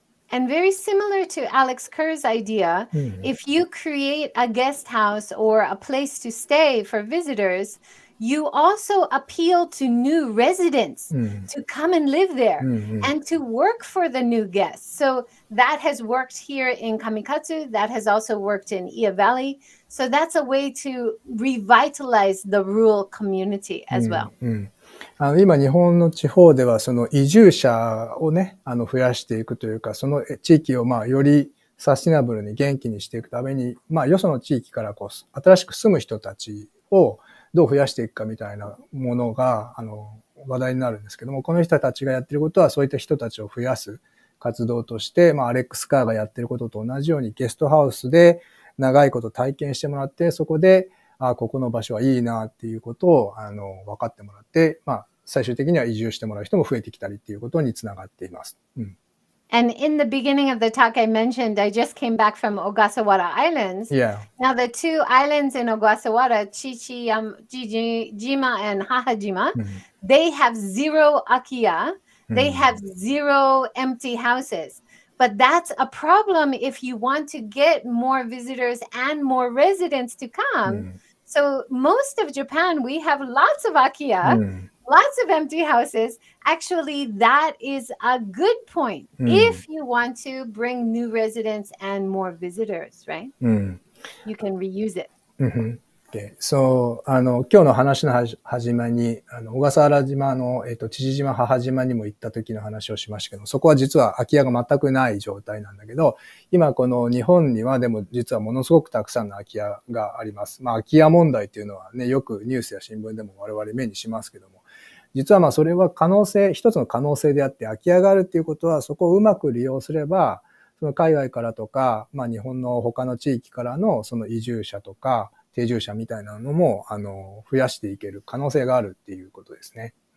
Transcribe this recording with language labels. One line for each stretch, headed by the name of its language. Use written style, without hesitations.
English: And very similar to Alex Kerr's idea, if you create a guest house or a place to stay for visitors, you also appeal to new residents to come and live there and to work for the new guests. So that has worked here in Kamikatsu. That has also worked in Ia Valley. So that's a way to revitalize the rural community as well.
Japanese: あの今日本の地方ではその移住者をね、あの増やしていくというか、その地域をまあよりサスティナブルに元気にしていくために、まあよその地域からこう新しく住む人たちをどう増やしていくかみたいなものがあの話題になるんですけども、この人たちがやってることはそういった人たちを増やす活動として、まあアレックス・カーがやってることと同じようにゲストハウスで長いこと体験してもらって、そこでああここの場所はいいなっていうことをあの分かってもらって、まあ、最終的には移住してもらう人も増えてきたりっていうことにつながっています。
English: And in the beginning of the talk, I mentioned I just came back from Ogasawara Islands. Yeah. Now the two islands in Ogasawara, Chichijima and Hahajima, they have zero akiya. They have zero empty houses. But that's a problem if you want to get more visitors and more residents to come. So most of Japan, we have lots of akiya, lots of empty houses. Actually, that is a good point if you want to bring new residents and more visitors, right? You can reuse it. Okay.
Japanese: So, 今日の話の始まりに、小笠原島の、父島、母島にも行った時の話をしましたけど、そこは実は空き家が全くない状態なんだけど、今この日本にはでも実はものすごくたくさんの空き家があります。まあ、空き家問題っていうのはね、よくニュースや新聞でも我々目にしますけども、実はまあそれは可能性、一つの可能性であって、空き家があるっていうことは、そこをうまく利用すれば、その海外からとか、まあ日本の他の地域からのその移住者とか、定住者みたいなのも増やしていける可能性があるっていうことですね。